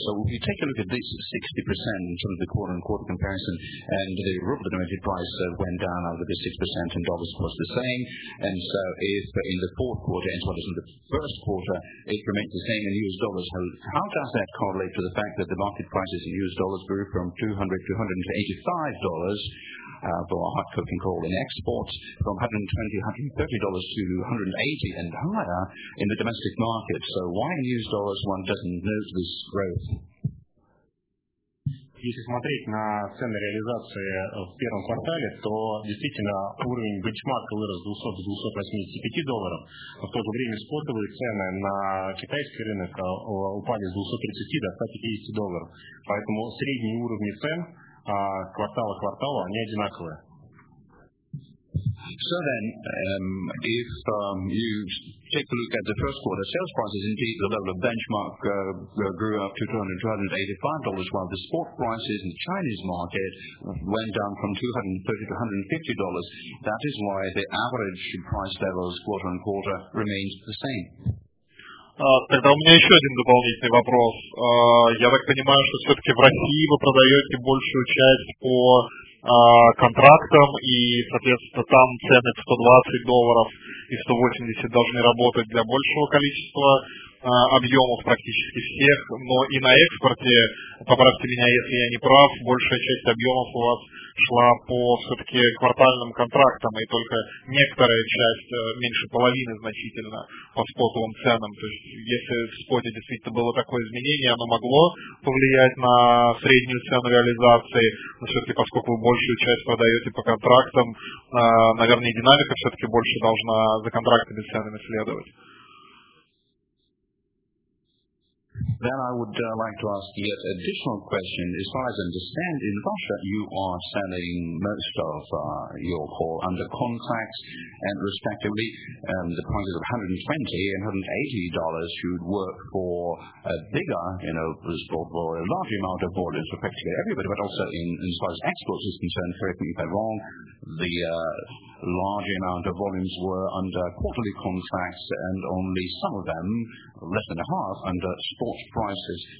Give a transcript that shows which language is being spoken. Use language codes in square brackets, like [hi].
[en] So if you take a look at this 60% in terms of the quarter-on-quarter comparison, and the ruble-denominated price went down over the 6%, and dollars was the same, and so if in the fourth quarter, as well as in the first quarter, it remains the same in US dollars, how does that correlate to the fact that the market prices in US dollars grew from $200 to $185 for a hot cooking coal in exports, from $120-$130 to $180 and higher in the domestic market? So why in US dollars one doesn't note this growth? [ru] Если смотреть на цены реализации в первом квартале, то действительно уровень бенчмарка вырос с 200 до 285 долларов, а в то же время спотовые цены на китайский рынок упали с 230 до 150 долларов. Поэтому средние уровни цен квартала к кварталу, они одинаковые. [en] So then, if you take a look at the first quarter sales prices, indeed the level of benchmark grew up to $285, while the spot prices in the Chinese market went down from $230 to $150. That is why the average price levels quarter on quarter remains the same. [ru] Тогда у меня еще один дополнительный вопрос. Я так понимаю, что все-таки в России вы продаете большую часть по контрактам, и, соответственно, там цены $120 и 180 должны работать для большего количества объемов практически всех, но и на экспорте, поправьте меня, если я не прав, большая часть объемов у вас шла по все-таки квартальным контрактам, и только некоторая часть, меньше половины значительно, по спотовым ценам. То есть, если в споте действительно было такое изменение, оно могло повлиять на среднюю цену реализации, но все-таки, поскольку вы большую часть продаете по контрактам, наверное, и динамика все-таки больше должна за контрактными ценами следовать. [en] Then I would like to ask the additional question. As far as I understand, in Russia, you are selling most of your coal under contracts, and respectively, the prices of $120 and $180 should work for a bigger, you know, for a large amount of orders for practically everybody, but also in as far as exports is concerned, correct me if I'm wrong, the large amount of volumes were under quarterly contracts and only some of them, less than a half, under spot prices.